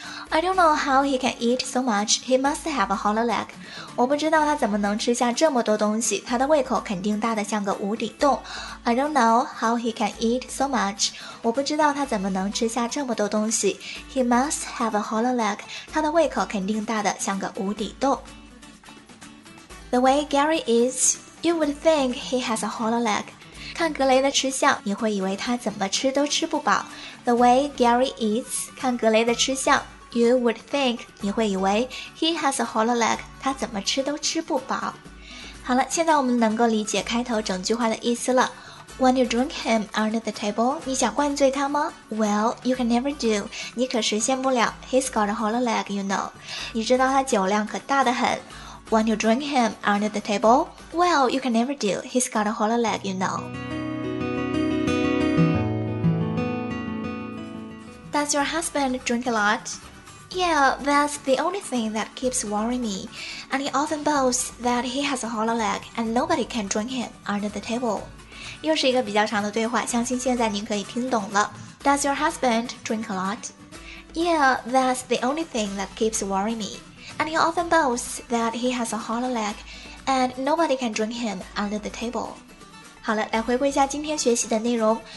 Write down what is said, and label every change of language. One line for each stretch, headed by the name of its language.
English: I don't know how he can eat so much. He must have a hollow leg.
Chinese: 我不知道他怎么能吃下这么多东西，他的胃口肯定大得像个无底洞。
English: I don't know how he can eat so much.
Chinese: 我不知道他怎么能吃下这么多东西。
English: He must have a hollow leg.
Chinese: 他的胃口肯定大得像个无底洞。
English: The way Gary is, you would think he has a hollow leg.
Chinese: 看格雷的吃相，你会以为他怎么吃都吃不饱。
English: The way Gary eats,
Chinese: 看格雷的吃相，
English: You would think,
Chinese: 你会以为
English: He has a hollow leg,
Chinese: 他怎么吃都吃不饱。好了，现在我们能够理解开头整句话的意思了。
English: When you drink him under the table,
Chinese: 你想灌醉他吗？
English: Well, you can never do,
Chinese: 你可实现不了。
English: He's got a hollow leg, you know,
Chinese: 你知道他酒量可大得很。
English: When you drink him under the table, Well, you can never do, He's got a hollow leg, you know. Does your husband drink a lot? Yeah, that's the only thing that keeps worrying me. And he often boasts that he has a hollow leg and nobody can drink him under the table.
Chinese: 又是一个比较长的对话，相信现在您可以听懂了。
English: Does your husband drink a lot? Yeah, that's the only thing that keeps worrying me. And he often boasts that he has a hollow leg, and nobody can drink him under the table.
Chinese: 好了，来回顾一下今天学习的内容。